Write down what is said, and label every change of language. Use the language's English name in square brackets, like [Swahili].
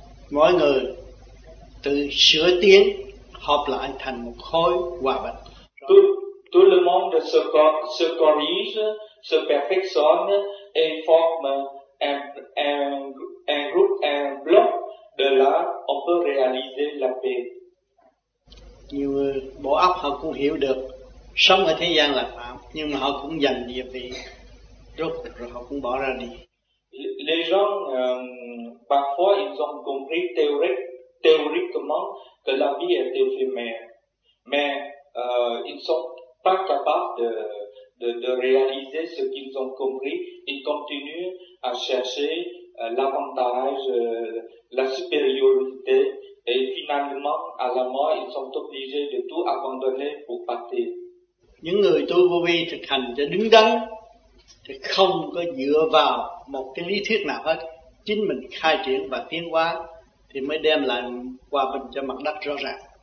[Vietnamese] Mọi người tự sửa tiến, hợp lại thành một khối hòa bình. [French] Tout le monde se corrige, se perfectionne et forme un groupe, un bloc. De là, on peut réaliser la paix. [Vietnamese] Nhiều người bộ óc họ cũng hiểu được sống ở thế gian là phạm, nhưng mà họ cũng dành địa vị rút rồi họ cũng bỏ ra đi. [French] Les gens parfois ils ont compris théoriquement que la vie est éphémère, mais ils sont pas capables de réaliser ce qu'ils ont compris. Ils continuent à chercher l'avantage, la supériorité. Et finalement, à la mort, ils sont obligés de tout abandonner pour partir. [Vietnamese] Những người tu vô vi thực hành cho đứng đắn, thì không có dựa vào một cái lý thuyết nào hết. Chính mình khai triển và tiến hóa, thì mới đem lại hòa bình cho mặt đất rõ ràng.